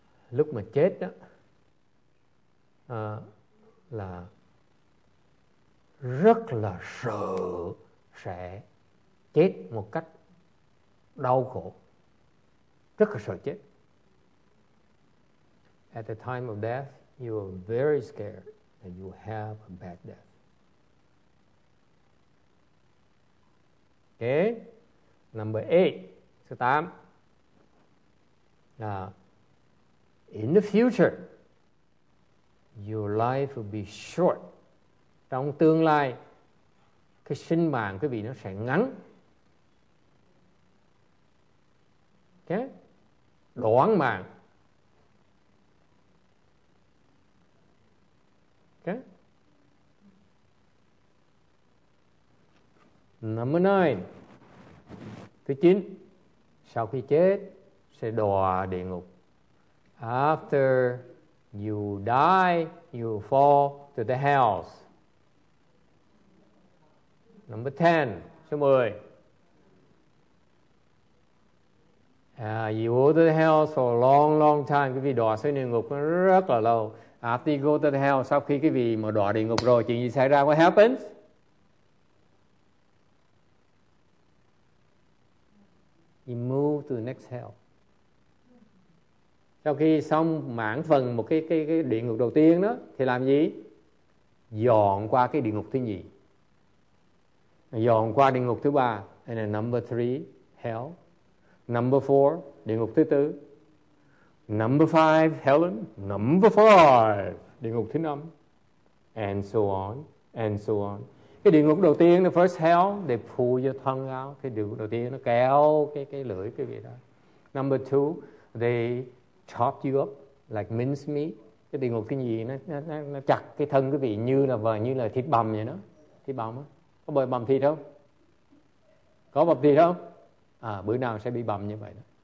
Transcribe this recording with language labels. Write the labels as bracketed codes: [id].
[vi] Lúc mà chết đó là rất là sợ sẽ chết một cách đau khổ. Rất là sợ chết. [en] At the time of death, you are very scared that you have a bad death. Okay. Number eight. [vi] Số tám. [en] In the future, your life will be short. [vi] Trong tương lai, cái sinh mạng quý vị nó sẽ ngắn. Okay? Đoạn mạng. [en] Okay? Number nine. [vi] Thứ chín. Sau khi chết, sẽ đọa địa ngục. [en] After you die, you fall to the hells. Number 10, [vi] số 10. [en] You go to the hells for a long, long time. [vi] Quý vị đọa xuống địa ngục rất là lâu. [en] After you go to the hells, [vi] sau khi quý vị mà đọa địa ngục rồi, chuyện gì xảy ra? [en] What happens? You move to the next hell. [vi] Sau khi xong mãn phần một cái địa ngục đầu tiên đó, thì làm gì? Dọn qua cái địa ngục thứ nhì. Dọn qua địa ngục thứ ba. [en] And then number three, hell. Number four, [vi] địa ngục thứ tư. [en] Number five, hell. Number five, [vi] địa ngục thứ năm. [en] And so on, and so on. [vi] Cái địa ngục đầu tiên, [en] the first hell, [vi] they pull your tongue out. Cái địa ngục đầu tiên nó kéo cái lưỡi cái gì đó. [en] Number two, they chop you up like minced meat. [vi] Cái địa ngục cái gì nó chặt cái thân quý vị như là thịt bằm vậy đó. Thịt bằm á. Có bị bằm thịt không? Có bằm thịt không? À, bữa nào sẽ bị bằm như vậy đó.